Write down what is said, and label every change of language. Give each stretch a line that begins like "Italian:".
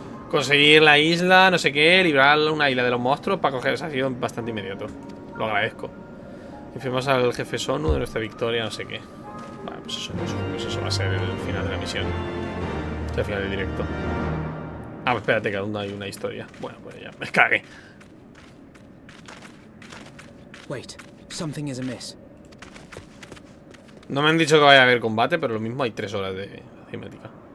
Spanish: conseguir la isla, no sé qué, librar una isla de los monstruos para coger. O sea, ha sido bastante inmediato. Lo agradezco. Infirmamos al jefe Sonu de nuestra victoria, no sé qué. Vale, pues eso va a ser el final de la misión. El final del directo. Ah, espérate, que aún hay una historia. Bueno, pues ya, me cagué.
English: Wait, something is amiss.
Spanish: No me han dicho que vaya a haber combate, pero lo mismo hay 3 horas de cinemática.